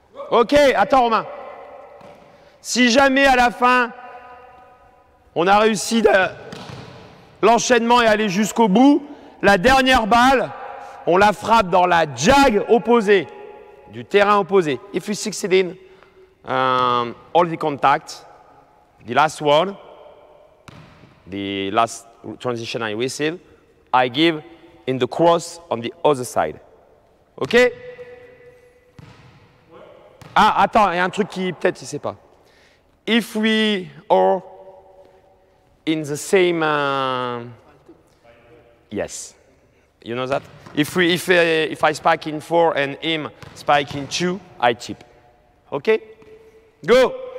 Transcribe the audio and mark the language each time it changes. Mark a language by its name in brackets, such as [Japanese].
[French] Ok, attends, Romain. Si jamais, à la fin, on a réussi de l'enchaînement et aller jusqu'au bout, la dernière balle, on la frappe dans la jag opposée, du terrain opposé. [English] If you succeed in all the contact, the last one, the last transition I receive, I give in the cross on the other side. Ok? [French] Ah, attends, il y a un truc qui peut-être, je ne sais pas. [English] If we are in the same... Yes. You know that? If I spike in four and him spike in two, I tip. Okay? Go!